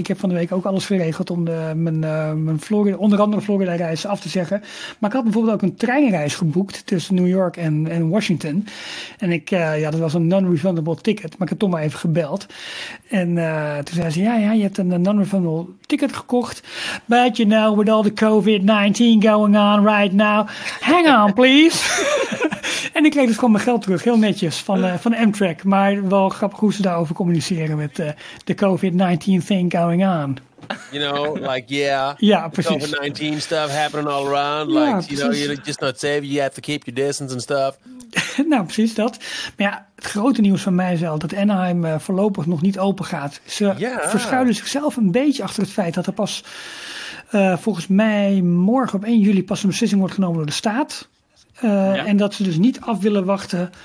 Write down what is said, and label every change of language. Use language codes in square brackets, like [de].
[nl] Ik heb van de week ook alles geregeld om mijn Florida, onder andere Florida reis af te zeggen. Maar ik had bijvoorbeeld ook een treinreis geboekt tussen New York en Washington. En ik, dat was een non-refundable ticket. Maar ik heb Tom maar even gebeld. En toen zei ze, ja, je hebt een non-refundable ticket gekocht. [en] But you know, with all the COVID-19 going on right now, hang on, please. [nl] En ik kreeg dus gewoon mijn geld terug, heel netjes, van Amtrak. Maar wel grappig hoe ze daarover communiceren met de COVID-19 [en] thing going on. You know, like, yeah. [nl] Ja, precies. [en] COVID-19 stuff happening all around. Ja, like, precies. You know, you're just not safe. You have to keep your distance and stuff. [nl] Nou, precies dat. Maar ja, het grote nieuws van mij is wel dat Anaheim voorlopig nog niet open gaat. Ze verschuilen zichzelf een beetje achter het feit dat er pas volgens mij morgen op 1 juli pas een beslissing wordt genomen door de staat. En dat ze dus niet af willen wachten.